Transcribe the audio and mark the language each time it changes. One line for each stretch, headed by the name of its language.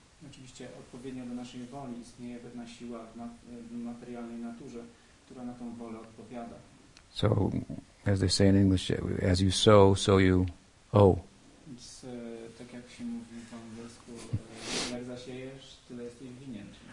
Polish: Oczywiście odpowiednio do naszej woli istnieje pewna siła w materialnej naturze, która na tą wolę odpowiada.
English: So, as they say in English, as you sow, so you owe.
Polish: Więc tak jak się mówi po angielsku, jak zasiejesz, tyle jesteś winien.